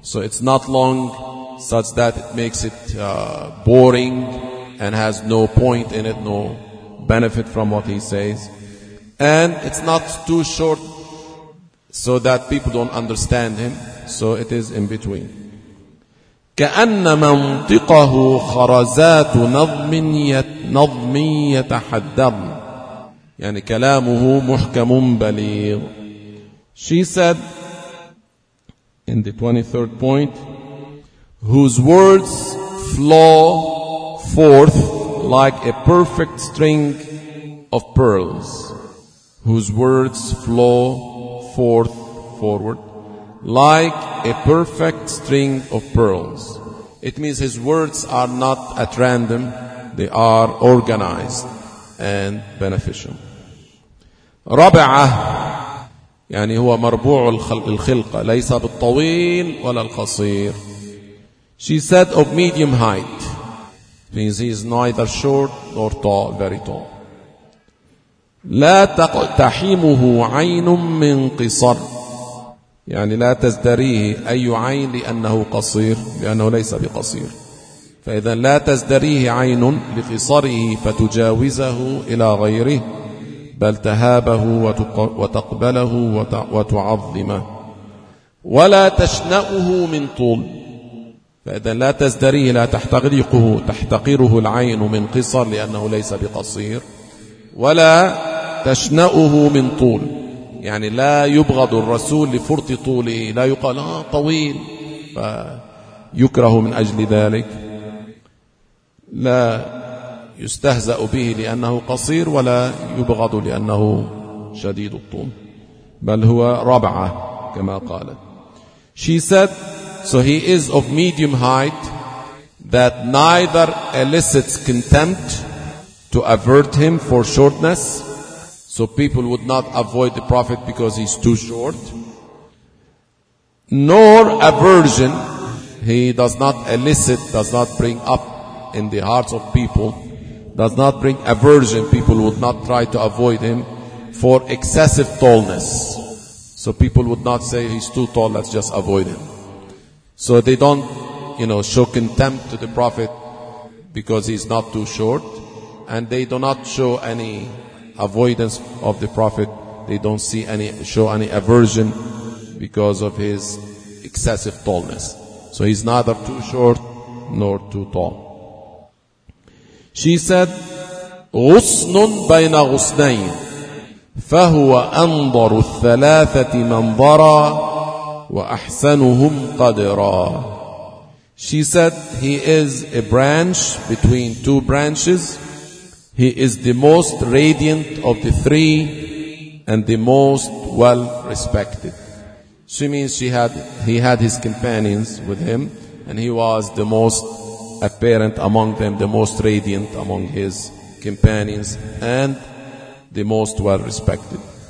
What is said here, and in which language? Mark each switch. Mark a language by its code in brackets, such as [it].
[en] So it's not long such that it makes it boring and has no point in it, no benefit from what he says. And it's not too short so that people don't understand him. So it is in between. [ar] كأن منطقه خرزات نظم يتحدر, يعني كلامه محكم بليغ. [en] She said in the 23rd point, whose words flow forth like a perfect string of pearls. Whose words flow forward like a perfect string of pearls. It means his words are not at random. They are organized and beneficial. [ar] رابعة, يعني هو مربوع الخلقة, ليس بالطويل ولا القصير. [en] She said, of medium height. Means he is neither short nor tall, very tall. [ar] لا تقتحمه عين من قصر, يعني لا تزدريه أي عين, لأنه قصير, لأنه ليس بقصير. فإذا لا تزدريه عين لقصره فتجاوزه إلى غيره, بل تهابه وتقبله وتعظمه. ولا تشنأه من طول, فإذا لا تزدريه, لا تحتقره, تحتقره العين من قصر لأنه ليس بقصير. ولا تشنأه من طول, يعني لا يبغض الرسول لفرط طوله, لا يقال طويل فيكره من أجل ذلك. لا يستهزأ به لأنه قصير, ولا يبغض لأنه شديد الطول, بل هو رابعة كما قالت. [en] She said, so he is of medium height, that neither elicits contempt to avert him for shortness, so people would not avoid the Prophet because he's too short, nor aversion. He does not elicit, does not bring up in the hearts of people, does not bring aversion. People would not try to avoid him for excessive tallness. So people would not say, he's too tall, let's just avoid him. So they don't, you know, show contempt to the Prophet because he's not too short. And they do not show any avoidance of the Prophet. They don't see any, show any aversion because of his excessive tallness. So he's neither too short nor too tall. She said, [ar] غُصْنٌ بَيْنَ غُصْنَيْنِ فَهُوَ أَنْضَرُ الثَّلَاثَةِ مَنْضَرًا وَأَحْسَنُهُمْ قَدِرًا. [en] She said, he is a branch between two branches. He is the most radiant of the three and the most well-respected. She means he had his companions with him, and he was the most apparent among them, the most radiant among his companions, and the most well-respected.